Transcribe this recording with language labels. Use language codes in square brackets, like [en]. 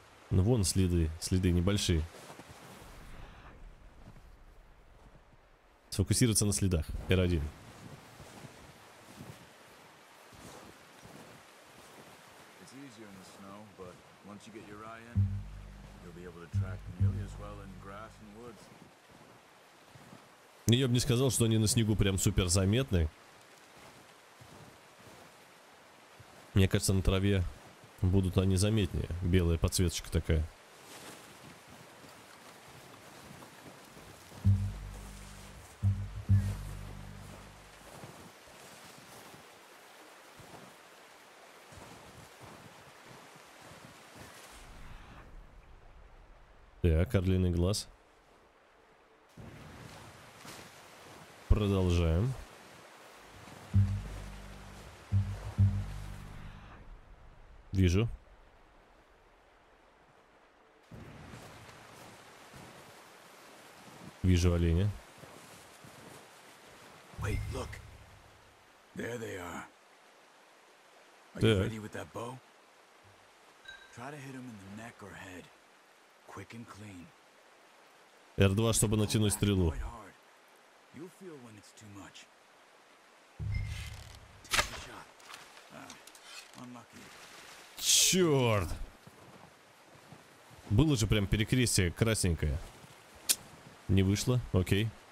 [ru] Ну вон следы, следы небольшие. Сфокусироваться на следах. Р1. [en] It's easier in the snow, but once you get your eye in, you'll be able to track nearly as well in grass and woods. [ru] Я бы не сказал, что они на снегу прям супер заметны. Мне кажется, на траве будут они заметнее. Белая подсветочка такая. Так, орлиный глаз. Продолжаем. Вижу. Вижу оленя. [en] Wait, look. There they are. Are you ready with that bow? Try to hit them in the neck or head. Quick and clean. [ru] R2, чтобы натянуть стрелу. [en] You'll feel when it's too much. [ru] Черт! Было же прям перекрестие красненькое. Не вышло, окей.